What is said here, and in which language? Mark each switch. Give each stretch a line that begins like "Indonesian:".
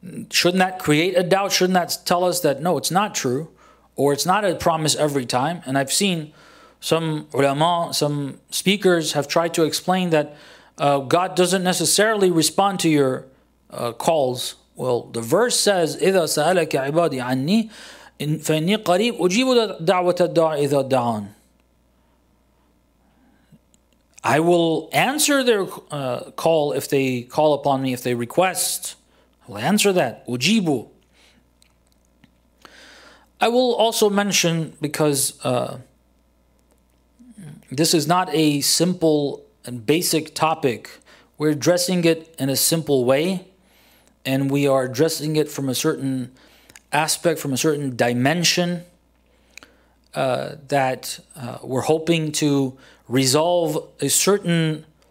English: Shouldn't that create a doubt? Shouldn't that tell us that, no, it's not true, or it's not a promise every time? And I've seen some ulama, some speakers have tried to explain that God doesn't necessarily respond to your calls. Well, the verse says,
Arabic: إِذَا سَأَلَكَ عِبَادِي عَنِّي فَإِنِّي قَرِيبٌ أُجِيبُ دَعْوَةَ الدَّعَاءِ إِذَا دَعَانِ.
English: I will answer their call if they call upon me, if they request. I'll answer that. Ujibu. I will also mention, because this is not a simple and basic topic, we're addressing it in a simple way, and we are addressing it from a certain aspect, from a certain dimension, that we're hoping to resolve a certain